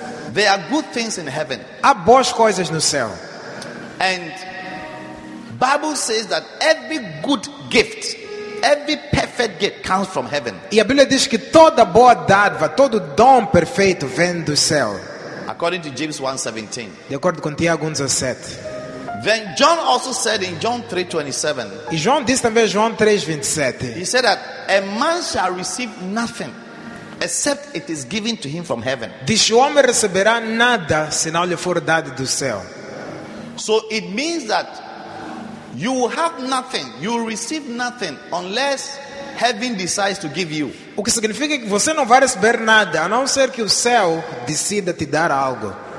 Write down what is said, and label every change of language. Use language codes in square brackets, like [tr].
[en] There are good things in heaven. [pt] Há boas coisas no céu. [en] And Bible says that every good gift, every perfect gift comes from heaven. [pt] E a Bíblia diz que toda boa dádiva, todo dom perfeito vem do céu. [en] According to James 1:17. [pt] De acordo com Tiago 1:17. [en] Then John also said in John 3:27. [pt] E João disse também João 3:27. [en] He said that a man shall receive nothing except it is given to him from heaven. [pt] Diz, o homem receberá nada se não lhe for dado do céu. [en] So it means that you will have nothing, you will receive nothing unless heaven decides to give you. [pt] O que significa que você não vai receber nada a não ser que o céu decida te dar algo.